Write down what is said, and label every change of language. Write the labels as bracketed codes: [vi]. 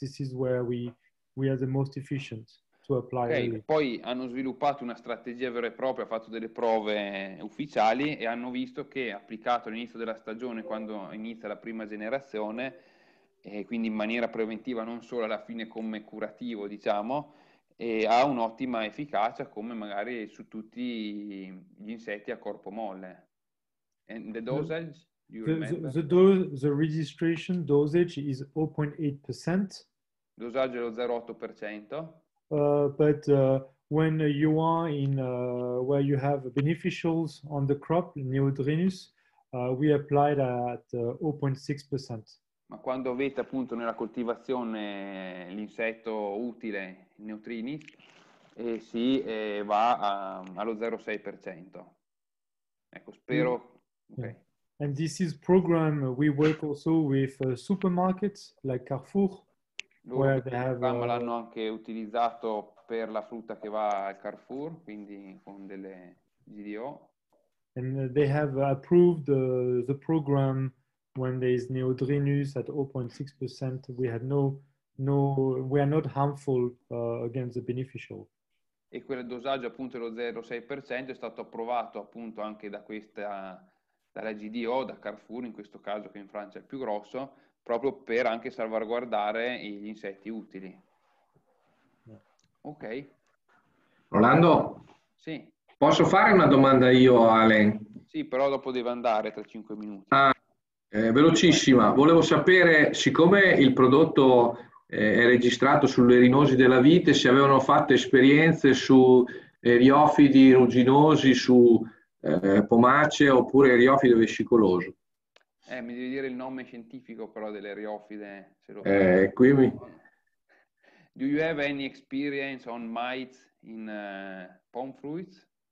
[en] This is where we are the most efficient to apply. Okay. [it] Poi hanno sviluppato una strategia vera e propria, hanno fatto delle prove ufficiali e hanno visto che applicato all'inizio della stagione, quando inizia la prima generazione, e quindi in maniera preventiva, non solo alla fine come curativo, diciamo, e ha un'ottima efficacia come magari su tutti gli insetti a corpo molle. [en] And the dosage, The registration dosage is 0.8%. [it] Dosaggio è lo 0.8%. [en] But when you are in where you have beneficials on the crop, Neodrinus, we applied at 0.6%. [it] Ma quando avete appunto nella coltivazione l'insetto utile, il Neodrinus, sì, va allo 0.6%. Ecco, spero. [en] Okay. Yeah. And this is program we work also with supermarkets like Carrefour. [it] Loro il programma l'hanno anche utilizzato per la frutta che va al Carrefour, quindi con delle GDO. [en] And they have approved the program when there is Neodrinus at 0.6%. We had no, we are not harmful against the beneficial. [it] E quel dosaggio appunto dello 0.6% è stato approvato appunto anche da questa, dalla GDO, da Carrefour in questo caso, che in Francia è il più grosso, proprio per anche salvaguardare gli insetti utili. Ok. Rolando? Sì. Posso fare una domanda io, Ale? Sì, però dopo devo andare tra 5 minuti. Ah, velocissima. Volevo sapere, siccome il prodotto è registrato sulle rinosi della vite, se avevano fatto esperienze su eriofidi ruginosi, su pomace oppure eriofide vescicoloso. Mi devi dire il nome scientifico però dell'eriofide, se lo qui mi... [en] Do you have any experience on mites in palm fruits?